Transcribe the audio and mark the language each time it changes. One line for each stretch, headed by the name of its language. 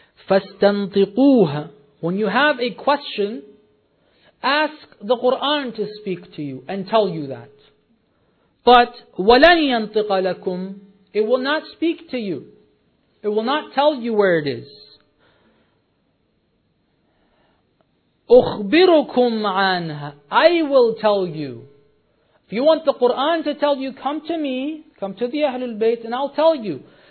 Arabic: فَاسْتَنْطِقُوهَا.
English: When you have a question, ask the Qur'an to speak to you and tell you that. But
Arabic: وَلَنْ يَنْطِقَ لَكُمْ.
English: It will not speak to you. It will not tell you where it is.
Arabic: أُخْبِرُكُمْ عَنْهَا.
English: I will tell you. you want the Qur'an to tell you, come to me, come to the Ahlul Bayt, and I'll tell you.